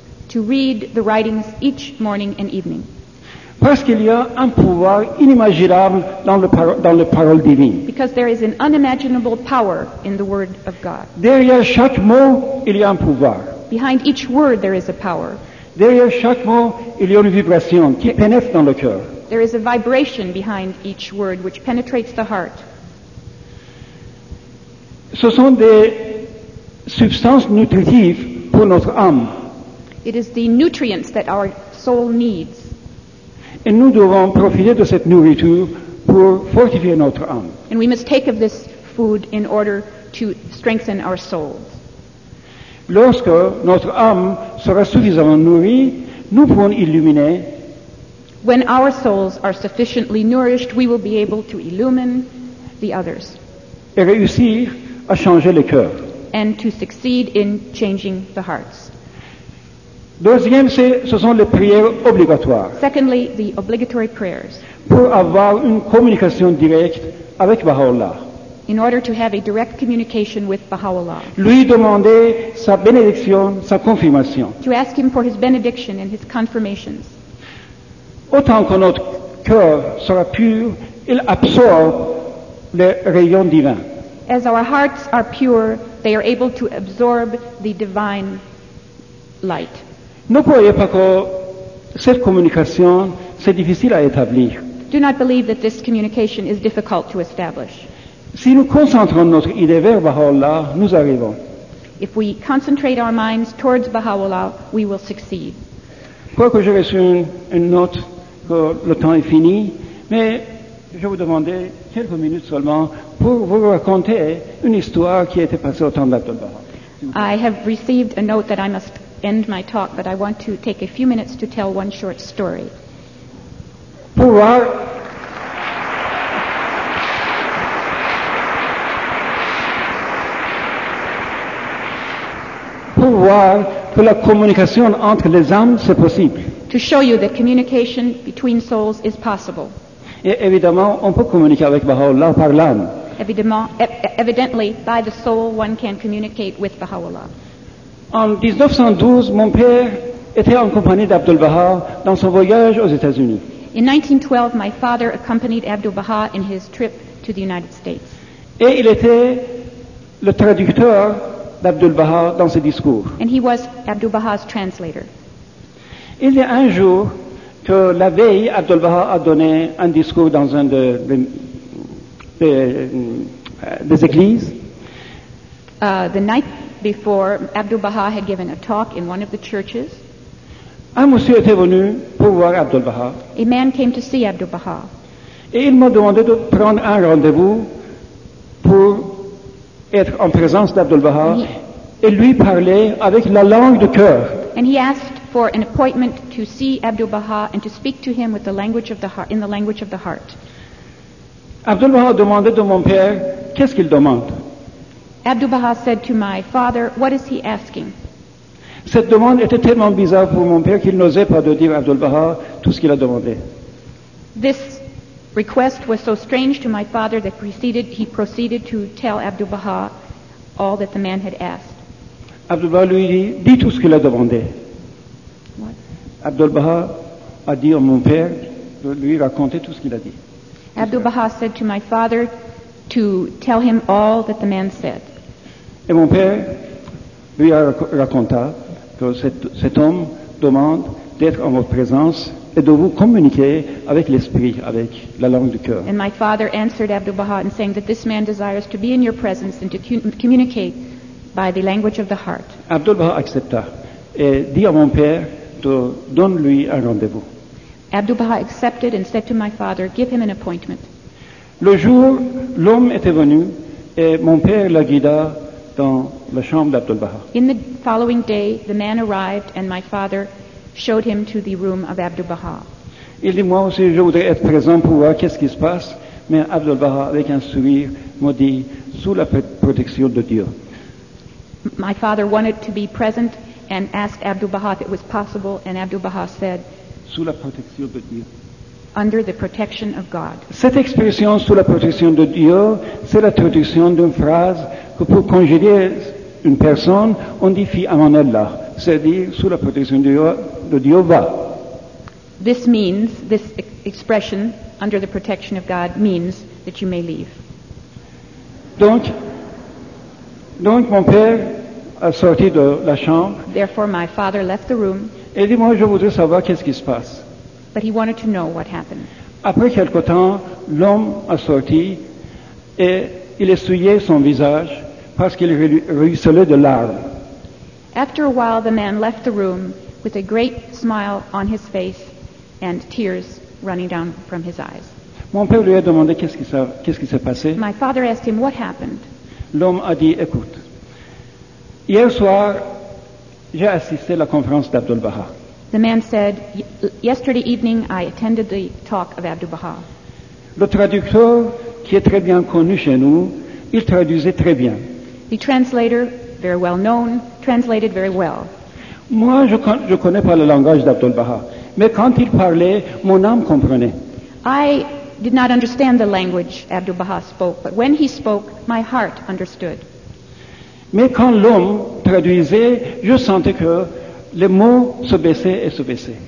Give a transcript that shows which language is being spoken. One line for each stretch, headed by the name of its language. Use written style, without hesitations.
English: To read the writings each morning and evening.
French: Parce qu'il y a un pouvoir inimaginable dans les paroles divines.
English: Because there is an unimaginable power in the word of God.
French: Derrière chaque mot, il y a un pouvoir.
English: Behind each word, there is a power.
French: Derrière chaque mot, il y a une vibration qui pénètre dans le cœur.
English: There is a vibration behind each word which penetrates the heart.
French: Ce sont des substances nutritives pour notre âme.
English: It is the nutrients that our soul needs.
French: Et nous devons profiter de cette nourriture pour fortifier notre âme.
English: And we must take of this food in order to strengthen our soul.
French: Lorsque notre âme sera suffisamment nourrie, nous pourrons illuminer.
English: When our souls are sufficiently nourished, we will be able to illumine the others.
French: Et réussir à changer les cœurs.
English: And to succeed in changing the hearts.
French: Deuxième, ce sont les prières obligatoires.
English: Secondly, the obligatory prayers.
French: Pour avoir une communication directe avec Baha'u'llah.
English: In order to have a direct communication with Baha'u'llah.
French: Lui demander sa bénédiction, sa confirmation.
English: To ask him for his benediction and his confirmations.
French: Autant que notre cœur sera pur, il absorbe les rayons divins.
English: As our hearts are pure, they are able to absorb the divine light.
French: Ne croyez pas que cette communication c'est difficile à établir.
English: Do not believe that this communication is difficult to establish.
French: Si nous concentrons notre idée vers Baha'u'llah, nous arrivons.
English: If we concentrate our minds towards Baha'u'llah, we will succeed.
French: Quoi que j'ai reçu une note que le temps est fini, mais je vous demandais quelques minutes seulement pour vous raconter une histoire qui était passée au temps d'Abdu'l-Baha.
English: I have received a note that I must end my talk, but I want to take a few minutes to tell one short story.
French: Pour voir que la communication entre les âmes c'est possible.
English: To show you that communication between souls is possible.
French: Et évidemment, on peut communiquer avec Baha'u'llah par l'âme.
English: Evidently, by the soul, one can communicate with Baha'u'llah.
French: En 1912, mon père était en compagnie d'Abdu'l-Baha dans son voyage aux États-Unis.
English: In 1912, my father accompanied Abdu'l-Baha in his trip to the United States.
French: Et il était le traducteur d'Abdu'l-Baha dans ses discours.
English: And he was Abdu'l-Baha's translator.
French: Il y a un jour que la veille, Abdu'l-Baha a donné un discours dans un des églises.
English: The night before, Abdu'l-Baha had given a talk in one of the churches.
French: Un monsieur était venu pour voir Abdu'l-Baha.
English: A man came to see Abdu'l-Baha.
French: Et il m'a demandé de prendre un rendez-vous pour être en présence d'Abdu'l-Baha et lui parler avec la langue du cœur.
English: And he asked for an appointment to see Abdu'l-Baha and to speak to him with the language of the heart, in the language of the heart.
French: Abdu'l-Baha a demandé de mon père, qu'est-ce qu'il demande?
English: Abdu'l-Baha said to my father, what is he asking?
French: Cette demande était tellement bizarre pour mon père qu'il n'osait pas de dire à Abdu'l-Baha tout ce qu'il a demandé.
English: This request was so strange to my father that he proceeded to tell Abdu'l-Baha all that the man had asked.
French: Abdu'l-Baha lui dit tout ce qu'il a demandé. Abdu'l-Baha a dit à mon père de lui raconter tout ce qu'il a dit.
English: Abdu'l-Baha said to my father to tell him all that the man said.
French: Et mon père lui a raconté que cet homme demande d'être en votre présence et de vous communiquer avec l'esprit, avec la langue du cœur.
English: And my father answered Abdul Baha in saying that this man desires to be in your presence and to communicate by the language of the heart.
French: Abdul Baha accepta et dit à mon père de donner lui un rendez-vous.
English: Abdul Baha accepted and said to my father, give him an appointment.
French: Le jour, l'homme était venu et mon père la guida dans la chambre d'Abdul Baha.
English: In the following day, the man arrived and my father showed him to the room of Abdul Baha.
French: Il dit, moi aussi, je voudrais être présent pour voir qu'est-ce qui se passe. Mais Abdul Baha, avec un sourire, m'a dit, sous la protection de Dieu.
English: My father wanted to be present and asked Abdul Baha if it was possible, and Abdul Baha said,
French: sous la protection de Dieu.
English: Under the protection of God.
French: Cette expression, sous la protection de Dieu, c'est la traduction d'une phrase que pour congédier une personne, on dit
Arabic: fi amanallah,
French: c'est-à-dire sous la protection de Dieu va.
English: This means, this expression, under the protection of God, means that you may leave.
French: Donc mon père a sorti de la chambre.
English: Therefore, my father left the room.
French: Et dit, moi, je voudrais savoir qu'est-ce qui se passe.
English: But he wanted to know what happened.
French: Après quelque temps, l'homme a sorti et il essuyait son visage parce qu'il ruisselait de larmes.
English: After a while, the man left the room with a great smile on his face and tears running down from his eyes.
French: Mon père lui a demandé qu'est-ce qui s'est passé.
English: My father asked him what happened.
French: L'homme a dit, écoute, hier soir, j'ai assisté à la conférence d'Abdul Baha.
English: The man said, yesterday evening I attended the talk of Abdul Baha.
French: Le traducteur, qui est très bien connu chez nous, il traduisait très bien.
English: The translator, very well known, translated very well.
French: Moi, je connais pas le langage d'Abdul Baha, mais quand il parlait, mon âme comprenait.
English: I did not understand the language Abdul Baha spoke, but when he spoke, my heart understood.
French: Mais quand l'homme traduisait, je sentais que les mots se baissaient et se baissaient.